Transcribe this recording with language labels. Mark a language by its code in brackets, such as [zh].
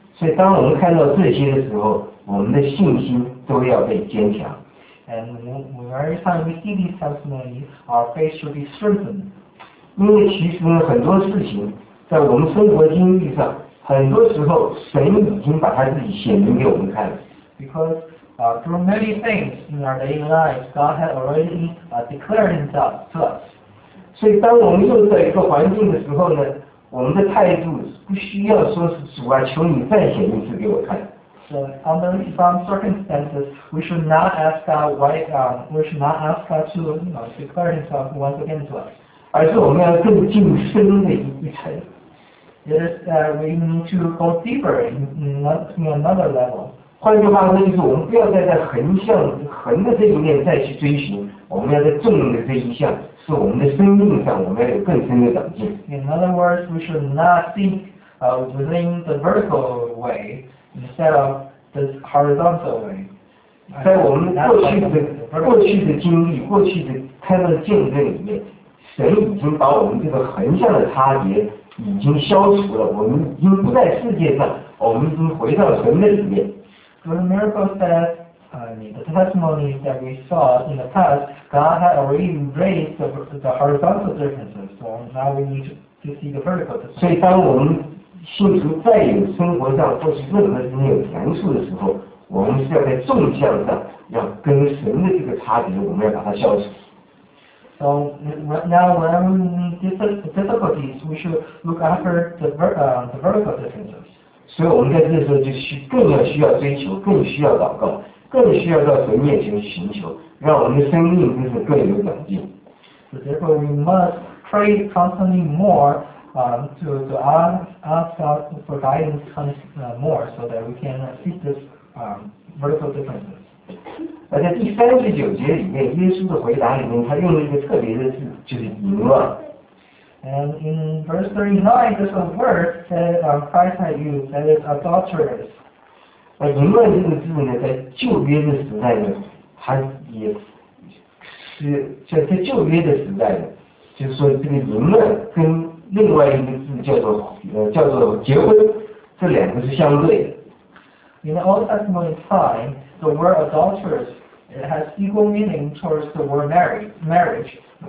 [zh] 所以当我们看到这些的时候，我们的信心都要被坚强。 [en] And when every time we see these testimonies, our faith should be strengthened. [zh] 因为其实呢，很多事情在我们生活经历上。很多时候，神已经把他自己显明给我们看了。 [en] Because through many things in our daily lives, God had already declared Himself to us. [zh] 所以，当我们又在一个环境的时候呢，我们的态度不需要说是主啊，求你再显一次给我看。 [en] So under some circumstances, we should not ask God why. We should not ask God to declare Himself once again to us. [zh] 而是我们要更进深的一层。 [en] It is that we need to go deeper in another level. [zh] 换句话说，就是我们不要再在横的这一面再去追寻，我们要在纵的这一项，是我们的生命上，我们要有更深的长进。 [en] In other words, we should not think within the vertical way instead of the horizontal way. [zh] 在我们过去的经历、过去的看到的见证里面，神已经把我们这个横向的差别。已经消除了，我们已经不在世界上，我们已经回到神的里面。 [en] The miracles that, the testimonies that we saw in the past, God had already raised the horizontal differences. So now we need to see the vertical differences. [zh] 所以，当我们信徒再有生活上或是任何方面有难处的时候，我们是要在纵向上要跟神的这个差别，我们要把它消除。 [en] So now when difficulties, we should look after the vertical differences. [zh] 所以我们在这个时候就需更要需要追求，更需要祷告，更需要到神面前寻求，让我们的生命就是更有长进。 [en] So therefore, we must pray constantly more, to ask God for guidance more, so that we can see this vertical differences. [zh] 而在第三十九节里面，耶稣的回答里面，他用了一个特别的字，就是淫乱。 [en] And in verse 39, there's a word that Christ had used, that is adulterous. [zh] 而淫乱这个字呢，在旧约的时代呢，它也是在旧约的时代呢，就是说这个淫乱跟另外一个字叫做结婚，这两个是相对的。 [en] In the Old Testament time, the word adulterous it has equal meaning towards the word marriage.